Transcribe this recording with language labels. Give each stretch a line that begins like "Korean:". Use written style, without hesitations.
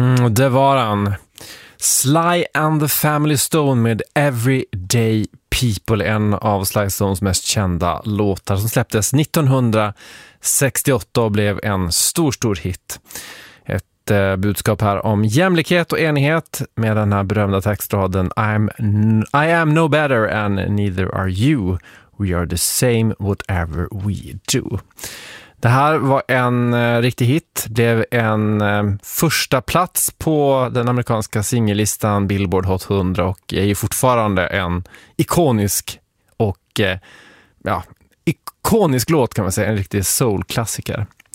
Swedish: Det var han. Sly and the Family Stone med Everyday People, en av Sly Stones mest kända låtar som släpptes 1968 och blev en stor, stor hit. Ett budskap här om jämlikhet och enighet med den här berömda textraden I am no better and neither are you.
English: We are the same whatever we do.
Swedish: Det här var en riktig hit, blev en första plats på den amerikanska singellistan Billboard Hot 100 och är ju fortfarande en ikonisk och ikonisk låt kan man säga, en riktig soul-klassiker.